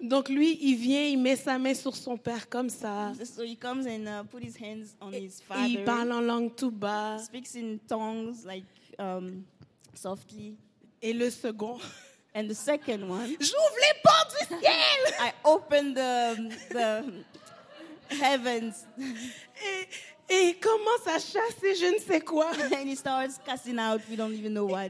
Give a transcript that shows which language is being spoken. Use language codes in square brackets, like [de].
[fr] Donc lui, il vient, il met sa main sur son père comme ça. [en] So he comes and put his hands on his father. [fr] Il parle en langue tout bas. [en] He speaks in tongues like softly. [fr] Et le second. [en] And the second one. [fr] J'ouvre les portes du ciel. [en] I open the heavens. [fr] Et il commence à chasser je ne sais quoi. [en] And he starts casting out, we don't even know what.